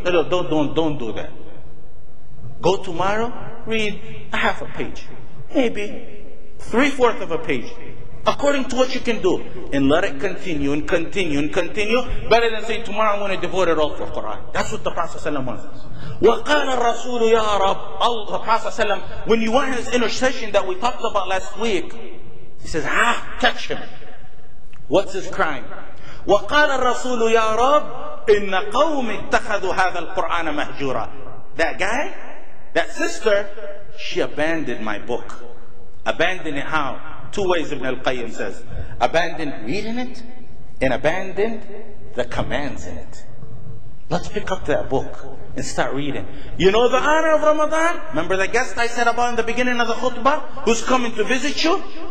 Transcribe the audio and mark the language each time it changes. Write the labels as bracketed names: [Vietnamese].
[English] No, no, don't do that. Go tomorrow, read a half a page, maybe 3/4 of a page, according to what you can do, and let it continue and continue and continue, better than say, tomorrow I'm going to devote it all for Quran. That's what the Prophet ﷺ wants. [Arabic] وَقَالَ الرَّسُولُ يَا رَبُّ [English] Allah, Prophet ﷺ, when you want his intercession that we talked about last week, he says, ah, catch him. What's his crime? [Arabic] وَقَالَ الرَّسُولُ يَا رَبُّ إِنَّ قَوْمِ اتَّخَذُوا هَذَا الْقُرْآنَ مَهْجُورًا [English] That guy, that sister, she abandoned my book. Abandon it how? Two ways, Ibn al-Qayyim says. Abandon reading it, and abandon the commands in it. Let's pick up that book and start reading. You know the honor of Ramadan? Remember the guest I said about in the beginning of the khutbah? Who's coming to visit you?